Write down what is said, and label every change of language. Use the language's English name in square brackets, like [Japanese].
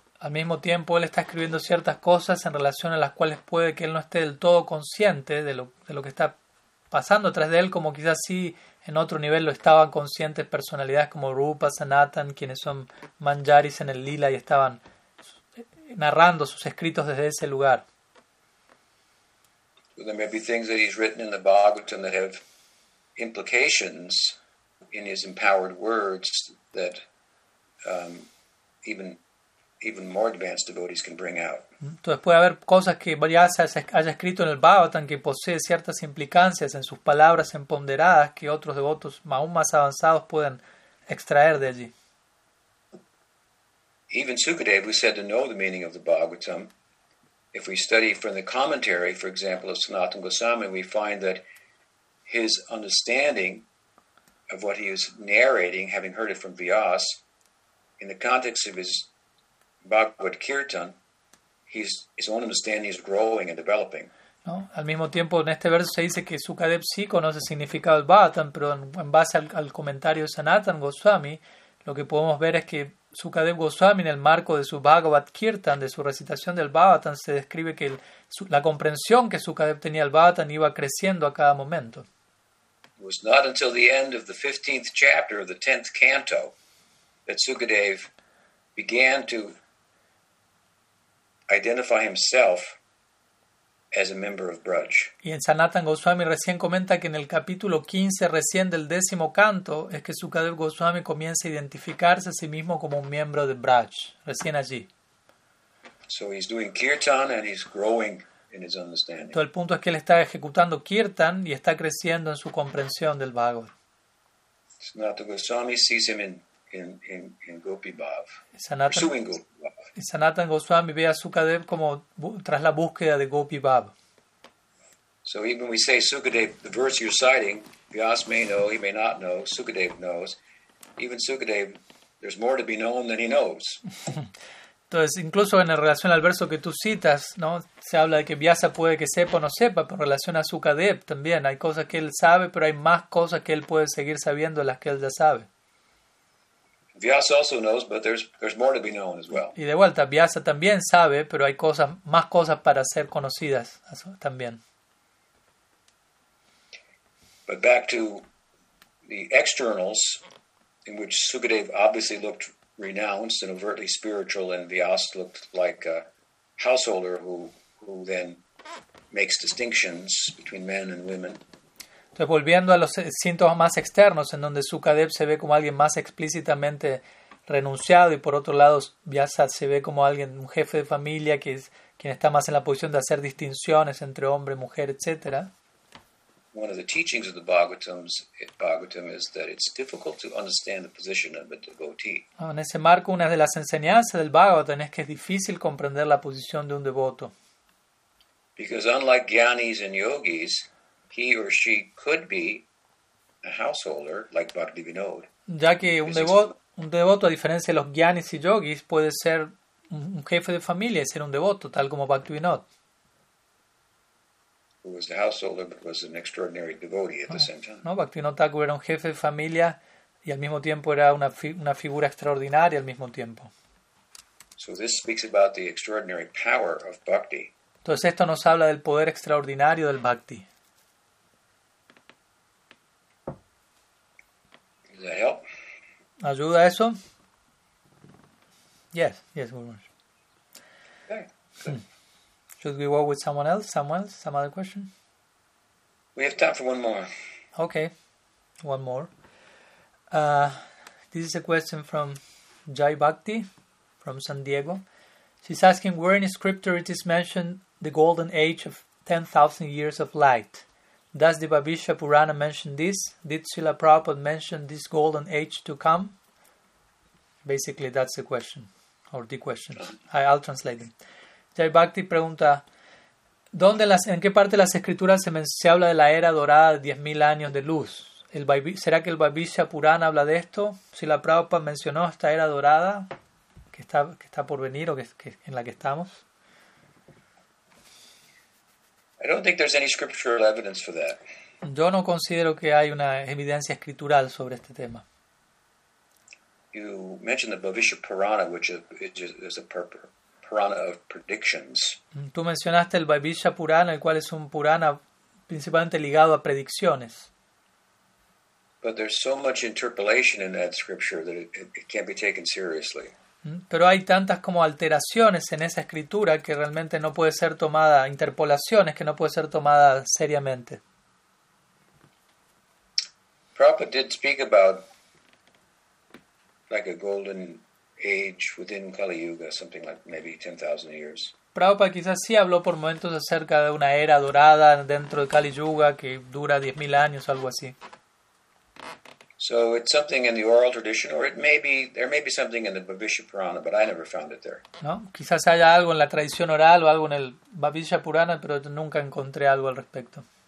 [Spanish] Al mismo tiempo, él está escribiendo ciertas cosas en relación a las cuales puede que él no esté del todo consciente de lo que está pasando atrás de él, como quizás sí en otro nivel lo estaban conscientes personalidades como Rupa, Sanatan, quienes son Manjaris en el Lila y estaban narrando sus escritos desde ese lugar. [English] So there may be things that he's written in the Bhagavatam that have implications in his empowered words that even more advanced devotees can bring out. [Spanish] Entonces puede haber cosas que Vyasa haya escrito en el Bhagavatam que posee ciertas implicancias en sus palabras empoderadas que otros devotos aún más avanzados pueden extraer de allí. [English] Even Sukadeva, who said to know the meaning of the Bhagavatam, if we study from the commentary, for example, of Sanatana Goswami, we find that his understanding of what he is narrating, having heard it from Vyas, in the context of his Bhagavad Kirtan, his own understanding is growing and developing. [Spanish] ¿No? Al mismo tiempo, en este verso se dice que Sukadev sí conoce el significado del Bhagavatam, pero en base al comentario de Sanatan Goswami, lo que podemos ver es que Sukadev Goswami, en el marco de su Bhagavad Kirtan, de su recitación del Bhagavatam, se describe que la comprensión que Sukadev tenía del Bhagavatam iba creciendo a cada momento. [English] It was not until the end of the 15th chapter of the 10th canto that Sukadev began to identify himself as a member of Braj. [Spanish] Y en Sanatan Goswami recién comenta que en el capítulo 15 recién del décimo canto es que Sukadeva Goswami comienza a identificarse a sí mismo como un miembro de Braj, recién allí. [English] So he's doing kirtan and he's growing in his understanding. [Spanish] Todo el punto es que él está ejecutando kirtan y está creciendo en su comprensión del Bhagavad. [English] Sanatan Goswami sees him in Gopi Bhav, pursuing Gopi Bhav. [Spanish] Y Sanatan Goswami ve a Sukadev como tras la búsqueda de Gopi Bhav. [English] So even we say Sukadev, the verse you're citing, Vyas may know, he may not know, Sukadev knows. Even Sukadev, there's more to be known than he knows. [Spanish] Entonces, incluso en relación al verso que tú citas, ¿no? Se habla de que Vyasa puede que sepa o no sepa, pero en relación a Sukadev también. Hay cosas que él sabe, pero hay más cosas que él puede seguir sabiendo de las que él ya sabe. [English] Vyasa also knows, but there's more to be known as well. [Spanish] Y de vuelta, Vyasa también sabe, pero hay cosas, más cosas para ser conocidas también. [English] But back to the externals, in which Sukadev obviously looked renounced and overtly spiritual, and Vyasa looked like a householder who then makes distinctions between men and women. [Spanish] Entonces, volviendo a los síntomas más externos, en donde Sukadev se ve como alguien más explícitamente renunciado, y por otro lado, Vyasa se ve como alguien, un jefe de familia, que es quien está más en la posición de hacer distinciones entre hombre, mujer, etc. [English] One of the teachings of the Bhagavatam is that it's difficult to understand the position of a devotee. [Spanish] En ese marco, una de las enseñanzas del Bhagavatam es que es difícil comprender la posición de un devoto. [English] Because unlike gyanis and yogis, he or she could be a householder like Bhaktivinoda. [Spanish] Ya que un devoto, a diferencia de los gyanis y yogis, puede ser un jefe de familia y ser un devoto, tal como Bhaktivinoda. [English] Who was a householder but was an extraordinary devotee at the same time. [Spanish] No, Bhaktivinoda Thakur era un jefe de familia y al mismo tiempo era una figura extraordinaria al mismo tiempo. [English] So this speaks about the extraordinary power of bhakti. [Spanish] Entonces esto nos habla del poder extraordinario del bhakti. [English] Does that help? [Spanish] ¿Ayuda eso? [English] Yes, very much. Should we walk with someone else? Some other question? We have time for one more. Okay, one more. This is a question from Jai Bhakti from San Diego. She's asking, where in scripture it is mentioned the golden age of 10,000 years of light? Does the Bhavishya Purana mention this? Did Srila Prabhupada mention this golden age to come? Basically, that's the question, or the question. I'll translate them. [Spanish] Jai Bhakti pregunta, ¿en qué parte de las escrituras se habla de la era dorada de 10,000 años de luz? ¿Será que el Vaibhishya Purana habla de esto? Si la Prabhupada mencionó esta era dorada que está por venir o que en la que estamos. [English] I don't think there's any scriptural evidence for that. [Spanish] Yo no considero que hay una evidencia escritural sobre este tema. [English] You mentioned the Vaibhishya Purana, which is a purport. Purana of predictions. [Spanish] Tú mencionaste el Vaibhishya Purana, el cual es un Purana principalmente ligado a predicciones. [English] But there's so much interpolation in that scripture that it can't be taken seriously. [Spanish] Pero hay tantas como alteraciones en esa escritura que realmente no puede ser tomada, interpolaciones que no puede ser tomada seriamente. [English] Prabhupada did speak about like a golden age within Kali Yuga, something like maybe 10,000 years. [Spanish] Prabhupada quizás sí habló por momentos acerca de una era dorada dentro de Kali Yuga que dura 10,000 años, algo así. [English] So it's something in the oral tradition, or there may be something in the Bhavishya Purana, but I never found it there. [Spanish] No, quizás haya algo en la tradición oral o algo en el Bhavishya Purana, pero nunca encontré algo al respecto.